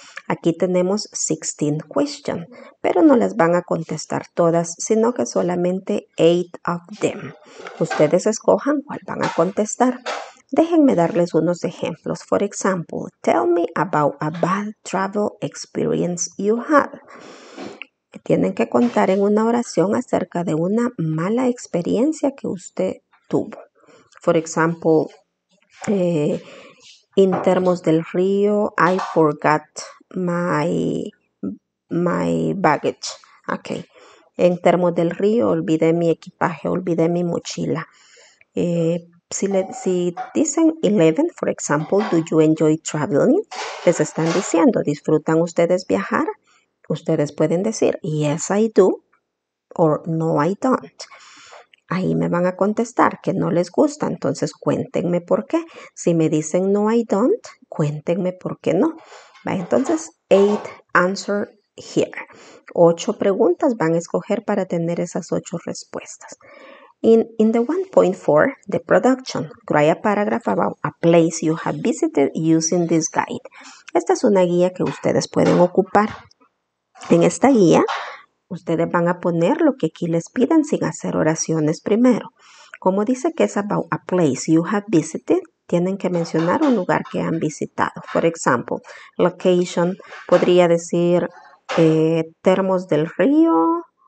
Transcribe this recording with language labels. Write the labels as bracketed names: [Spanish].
[Spanish] Aquí tenemos 16 questions, pero no las van a contestar todas, sino que solamente [English] 8 of them. [Spanish] Ustedes escojan cuál van a contestar. Déjenme darles unos ejemplos. [English] For example, tell me about a bad travel experience you had. [Spanish] Tienen que contar en una oración acerca de una mala experiencia que usted tuvo. [English] For example, in Termos del Río, I forgot my baggage. Okay. [Spanish] En Termos del Río, olvidé mi equipaje, olvidé mi mochila. Si dicen 11, for example, [English] do you enjoy traveling? [Spanish] Les están diciendo, ¿disfrutan ustedes viajar? Ustedes pueden decir, [English] yes, I do, or no, I don't. [Spanish] Ahí me van a contestar que no les gusta, entonces cuéntenme por qué. Si me dicen [English] no, I don't, [Spanish] cuéntenme por qué no. Vale, entonces, [English] 8 answer here. [Spanish] 8 preguntas van a escoger para tener esas 8 respuestas. [English] In the 1.4, the production, write a paragraph about a place you have visited using this guide. [Spanish] Esta es una guía que ustedes pueden ocupar. En esta guía, ustedes van a poner lo que aquí les piden sin hacer oraciones primero. Como dice que es [English] about a place you have visited, [Spanish] tienen que mencionar un lugar que han visitado. [English] For example, location, [Spanish] podría decir [English] Termos del Río.